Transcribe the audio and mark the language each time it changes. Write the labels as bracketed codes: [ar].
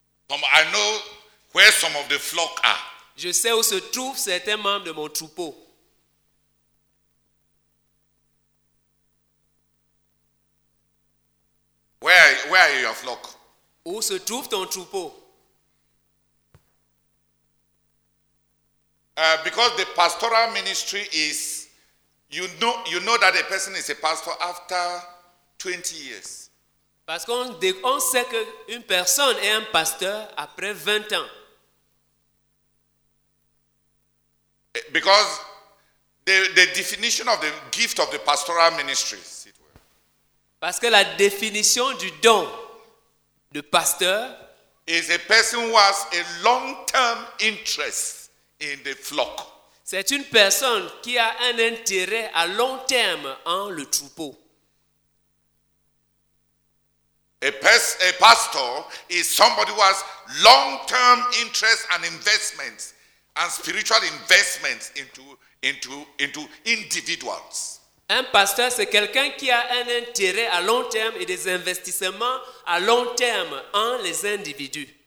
[en] I know where some of the flock are. [fr] Je sais où se trouvent certains membres de mon troupeau. [en] Where are your flock? [fr] Où se trouve ton troupeau? [en] Because the pastoral ministry is, you know that a person is a pastor after 20 years. [fr] Parce qu'on sait qu'une personne est un pasteur après 20 ans. [en] Because the definition of the gift of the pastoral ministry. [fr] Parce que la définition du don de pasteur [en] is a person who has a long-term interest in the flock. [fr] C'est une personne qui a un intérêt à long terme en le troupeau. [en] A pastor is somebody who has long-term interest and investments. And spiritual investments into individuals. [fr] Un pasteur, c'est quelqu'un qui a un intérêt à long terme et des investissements à long terme en les individus.